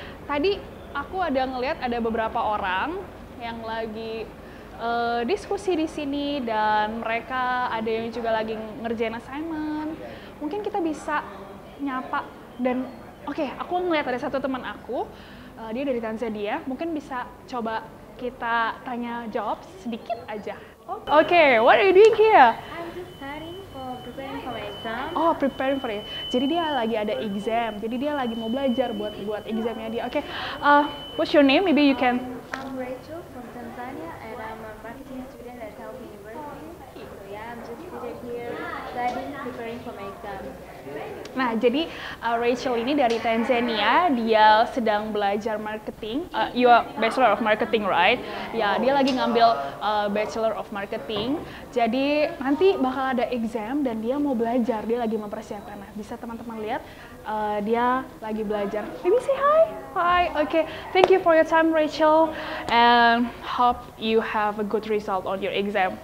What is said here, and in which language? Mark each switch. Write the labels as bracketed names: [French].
[Indonesian] Tadi aku ada ngeliat ada beberapa orang yang lagi diskusi di sini dan mereka ada yang juga lagi ngerjain assignment. Mungkin kita bisa nyapa dan Oke, aku ngeliat ada satu teman aku, dia dari Tanzania, mungkin bisa coba kita tanya jawab sedikit aja. [English] Oke, what are you doing here? I'm just studying for preparing for my exam. Oh, preparing for it. [Indonesian] Jadi dia lagi ada exam, jadi dia lagi mau belajar buat examnya dia. [English] Oke, what's your name? Maybe you can. I'm Rachel from Tanzania and I'm a marketing student at Taupe University. So yeah, I'm just here studying, preparing for my exam. [Indonesian] Nah, jadi Rachel ini dari Tanzania, dia sedang belajar marketing. [English] You are Bachelor of Marketing, right? [Indonesian] Ya, dia lagi ngambil Bachelor of Marketing. Jadi, nanti bakal ada exam dan dia mau belajar, dia lagi mempersiapkan. Nah, bisa teman-teman lihat, dia lagi belajar. [English] Maybe say hi? Hi, okay. Thank you for your time, Rachel. And hope you have a good result on your exam.